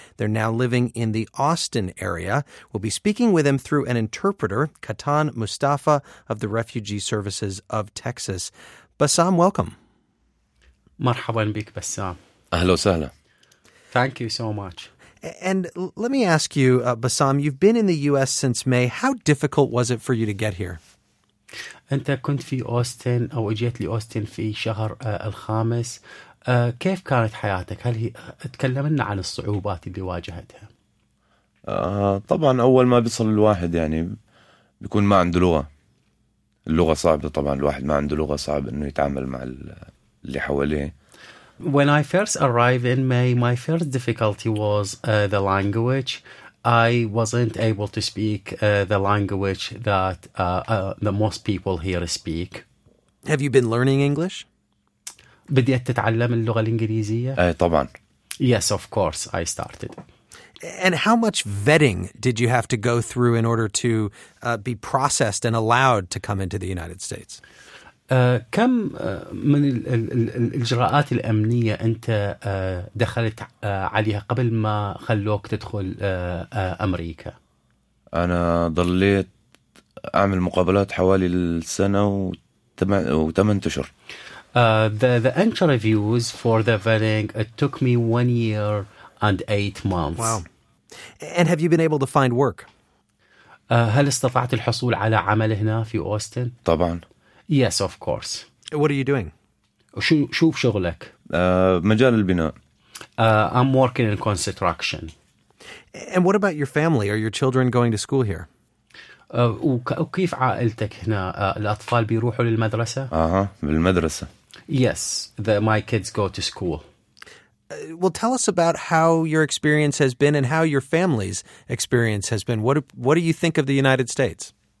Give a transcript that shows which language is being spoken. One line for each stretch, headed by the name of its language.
English: They're now living in the Austin area. We'll be speaking with him through an interpreter, Katan Mustafa, of the Refugee Services of Texas. Bassam, welcome.
Arabic: Marhaban bik, Bassam. Ahlo sahla.
English: Thank you so much. And let me ask you, Bassam, you've been in the U.S. since May. How difficult was it for you to get here?
Arabic: أنت كنت في أوستن أو جيت لأوستن في شهر الخامس. كيف كانت حياتك؟ هل هي تكلمنا عن الصعوبات اللي واجهتها؟ طبعا أول ما بيصل الواحد يعني بيكون ما عنده لغة. اللغة صعبة طبعا, الواحد ما عنده لغة صعب إنه يتعامل مع اللي حواليه.
English: When I first arrived in May, my first difficulty was the language. I wasn't able to speak the language that the most people here speak. Have you been learning English?
Arabic: بديت تتعلم اللغة الإنجليزية؟ طبعاً.
English: Yes, of course, I started. And how much vetting did you have to go through in order to be processed and allowed to come into the United States?
Arabic: كم من الإجراءات الأمنية أنت دخلت عليها قبل ما خلوك تدخل أمريكا؟ أنا ضليت أعمل مقابلات حوالي السنة وثمان أشهر.
English: The interviews for the vetting took me 1 year and 8 months. Wow. And have you been able to find work?
Arabic: هل استطعت الحصول على عمل هنا في أوستن؟ طبعاً.
English: Yes, of course. What are you doing?
Arabic: شوف شغلك. مجال البناء.
English: I'm working in construction. And what about your family? Are your children going to school here?
Arabic: وكيف عائلتك هنا؟ الأطفال بيروحوا للمدرسة؟ بالمدرسة.
English: Yes, my kids go to school. Well, tell us about how your experience has been and how your family's experience has been. What do you think of the United States?